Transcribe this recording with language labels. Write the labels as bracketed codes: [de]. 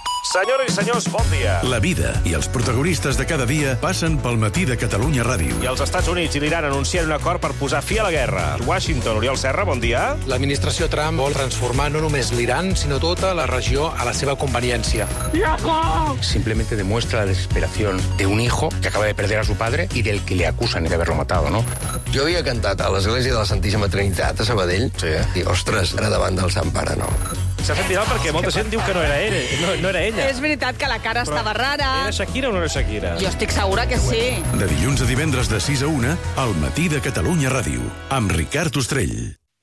[ca] Senyores i senyors, bon dia. La vida i els protagonistes de cada dia passen pel matí de Catalunya Ràdio. I els Estats Units i l'Iran anuncien un acord per posar fi a la guerra. Washington, Oriol Serra, bon dia. L'administració Trump vol transformar no només l'Iran, sinó tota la regió a la seva conveniència. [es] ¡Hijo! Simplemente demuestra la desesperació de un hijo que acaba de perder a su padre y del que le acusan de haberlo matado, ¿no? [ca] Jo havia cantat a l'Església de la Santíssima Trinitat a Sabadell. Sí, eh? I, ostres, era davant del Sant Pare, no. S'ha fet viral perquè molta gent diu que no era ell, no era ella. És veritat que la cara però estava rara. Era Shakira o no era Shakira? Jo estic segura que sí. De dilluns a divendres de 6 a 1, al matí de Catalunya Ràdio, amb Ricard Ostrell.